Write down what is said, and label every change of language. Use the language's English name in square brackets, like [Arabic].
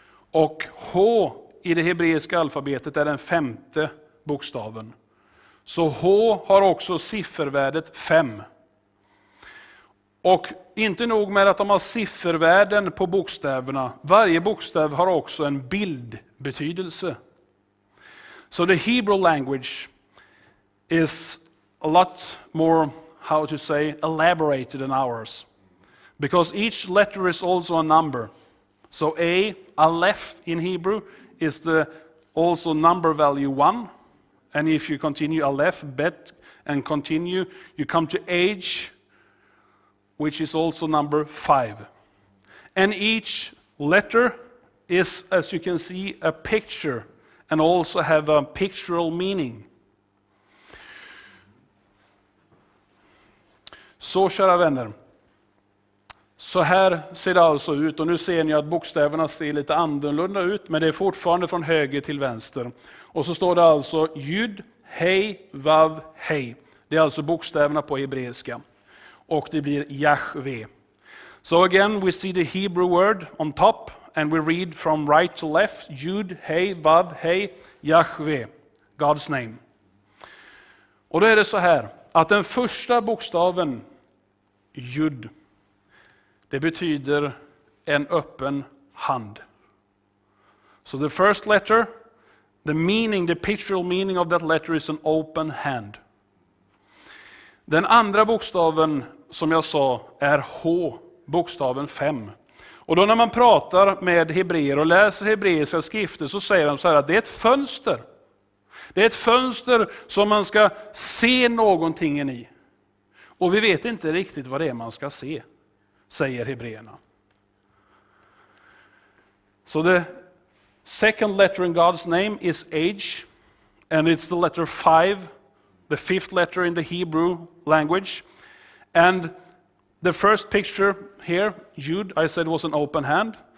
[Swedish] Och H i det hebreiska alfabetet är den femte bokstaven. Så H har också siffervärdet 5. Och inte nog med att de har siffervärden på bokstäverna. Varje bokstav har också en bildbetydelse. [English] Så the Hebrew language is a lot more, how to say, elaborated than ours. Because each letter is also a number. So A, Aleph in Hebrew, is the also number value 1. And if you continue Aleph, Bet, and continue, you come to H, which is also number 5. And each letter is, as you can see, a picture, and also have a pictorial meaning. [Swedish] Så kära vänner, så här ser det alltså ut, och nu ser ni att bokstäverna ser lite annorlunda ut, men det är fortfarande från höger till vänster. Och så står det alltså Yud, Hei, Vav, Hei. Det är alltså bokstäverna på hebreiska. Och det blir Yahweh. [English] So again, we see the Hebrew word on top, and we read from right to left, Yud, Hey, Vav, Hey, Yahweh, God's name. [Swedish] Och då är det så här, att den första bokstaven, Yud, det betyder en öppen hand. [English] So the first letter, the meaning, the pictorial meaning of that letter is an open hand. [Swedish] Den andra bokstaven som jag sa är H, bokstaven 5. Och då när man pratar med hebreer och läser hebreiska skrifter så säger de så här att det är ett fönster. Det är ett fönster som man ska se någonting i. Och vi vet inte riktigt vad det är man ska se, säger hebreerna. Så det [English] second letter in God's name is H, and it's the letter 5, the fifth letter in the Hebrew language. And the first picture here, Yud, I said was an open hand.